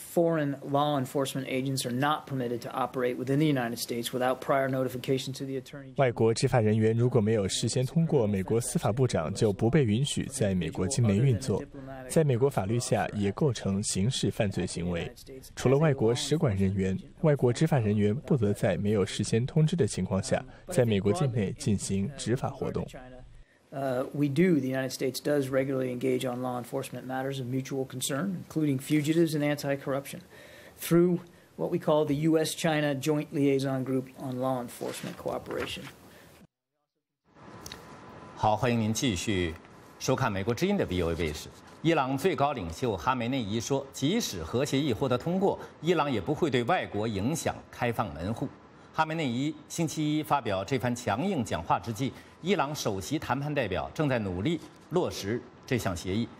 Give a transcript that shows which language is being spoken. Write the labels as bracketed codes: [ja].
[en] Foreign law enforcement agents are not permitted to operate within the United States without prior notification to the attorney general. [zh] 外国执法人员如果没有事先通过美国司法部长，就不被允许在美国境内运作，在美国法律下也构成刑事犯罪行为。除了外国使馆人员，外国执法人员不得在没有事先通知的情况下，在美国境内进行执法活动。 [en] The United States does regularly engage on law enforcement matters of mutual concern, including fugitives and anti-corruption, through what we call the U.S.-China Joint Liaison Group on Law Enforcement Cooperation. [zh] 好，欢迎您继续收看美国之音的 VOA 卫视。伊朗最高领袖哈梅内伊说，即使核协议获得通过，伊朗也不会对外国影响开放门户。哈梅内伊星期一发表这番强硬讲话之际，伊朗首席谈判代表正在努力落实这项协议。